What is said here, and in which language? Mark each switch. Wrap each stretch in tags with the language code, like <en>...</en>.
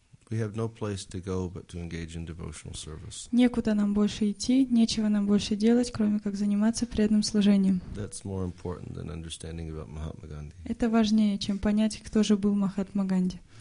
<en>We have no place to go but to engage in devotional service.</en> <ru>Некуда нам больше идти, нечего нам больше делать, кроме как заниматься преданным служением.</ru> <en>That's more important than understanding about Mahatma Gandhi.</en> <ru>Это важнее, чем понять, кто же был Махатма Ганди.</ru>